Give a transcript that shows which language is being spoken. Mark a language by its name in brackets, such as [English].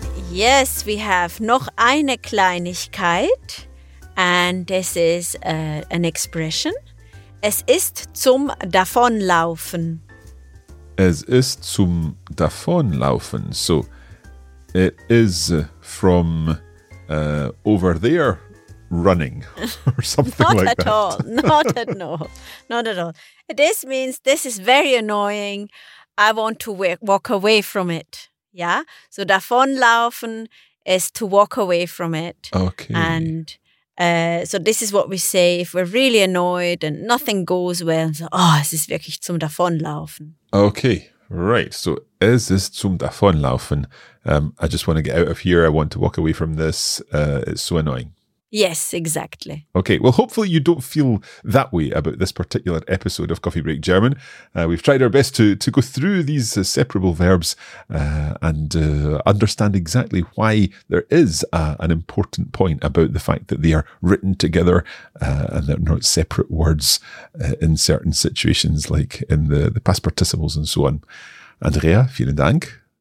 [English] Yes, we have [German] noch eine Kleinigkeit. [English] And this is an expression. [German] Es ist zum Davonlaufen. Es ist zum Davonlaufen. [English] So, it is... from over there running or something not like that. Not at all. Not at all. This means this is very annoying. I want to walk away from it. Yeah? So davonlaufen is to walk away from it. Okay. And so this is what we say if we're really annoyed and nothing goes well. [German] So, oh, es ist wirklich zum davonlaufen. [English] Okay. [German] Right, so es ist zum Davonlaufen. [English] I just want to get out of here. I want to walk away from this. It's so annoying. Yes, exactly. Okay, well, hopefully you don't feel that way about this particular episode of Coffee Break German. We've tried our best to go through these separable verbs and understand exactly why there is an important point about the fact that they are written together and they're not separate words in certain situations, like in the past participles and so on. Andrea, [German] vielen Dank.